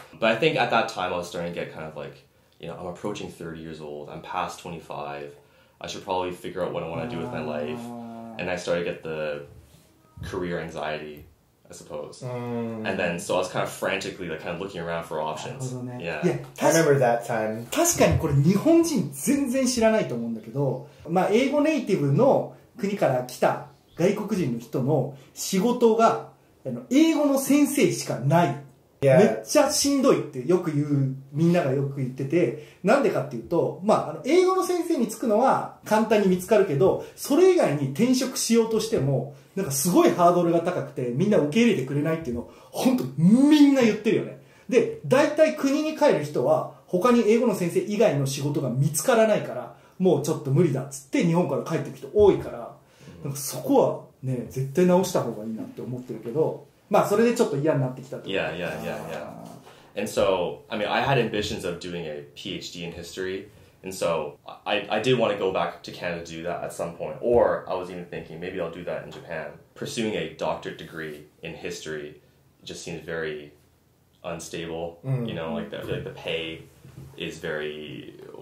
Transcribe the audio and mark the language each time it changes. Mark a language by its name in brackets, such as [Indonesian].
[English] But I think at that time I was starting to get kind of like, you know, I'm approaching 30 years old, I'm past 25, I should probably figure out what I want to do with my life. And I started to get the career anxiety, I suppose. And then, so I was kind of frantically like kind of looking around for options. Yeah. I remember that time. [Japanese] 確かにこれ日本人全然知らないと思うんだけど、まあ英語ネイティブの国から来た外国人の人の仕事が英語の先生しかない、 [English] yeah. [Japanese] めっちゃしんどいってよく言う、みんながよく言ってて、なんでかっていうと、まあ、英語の先生につくのは簡単に見つかるけど、それ以外に転職しようとしてもなんかすごいハードルが高くてみんな受け入れてくれないっていうのを本当みんな言ってるよね。で、大体国に帰る人は他に英語の先生以外の仕事が見つからないからもうちょっと無理だっつって日本から帰ってくる人多いから、なんかそこはね、絶対直した方がいいなって思ってるけど、まあそれでちょっと嫌になってきたと。 [English] Yeah, yeah, yeah, yeah. And so, I mean, I had ambitions of doing a PhD in history, and so I did want to go back to Canada to do that at some point, or I was even thinking maybe I'll do that in Japan. Pursuing a doctorate degree in history just seems very unstable, you know, like the pay is very...